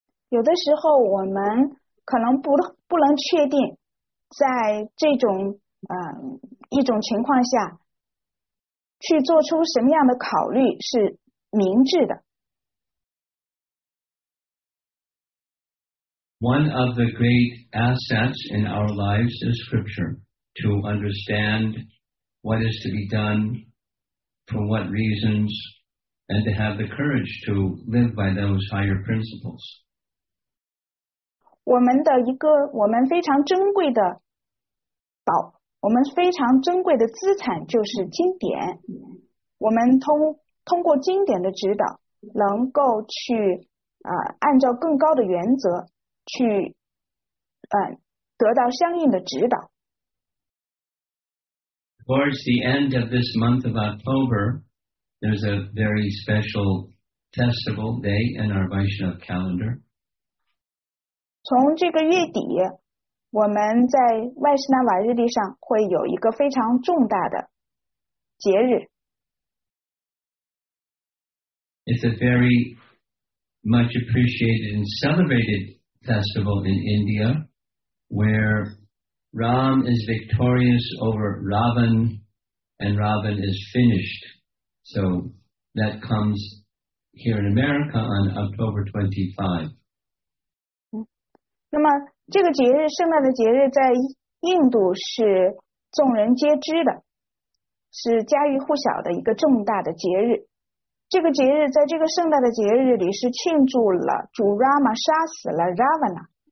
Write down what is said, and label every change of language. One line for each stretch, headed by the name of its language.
Chinese: 有的时候我们可能不能确定在这种一种情况下去做出什么样的考虑是明智的。
English: One of the great assets in our lives is scripture. To understand what is to be done, for what reasons, and to have the courage to live by those higher principles.
Chinese: 我们非常珍贵的宝，我们非常珍贵的资产就是经典。我们通过经典的指导，能够去按照更高的原则去得到相应的指导。
English: Towards the end of this month of October, there's a very special festival day in our Vaishnava calendar.
Chinese: 从这个月底，我们在外斯纳瓦日历上会有一个非常重大的节日。
English: It's a very much appreciated and celebrated festival in India, where Ram is victorious over Ravan, and Ravan is finished. So that comes here in America on October 25.
Chinese: 那么这个节日，圣诞的节日， 在印度是众人皆知的， 是家喻户晓的一个重大的节日。这个节日在这个圣诞的节日里是庆祝了主Rama杀死了Ravana。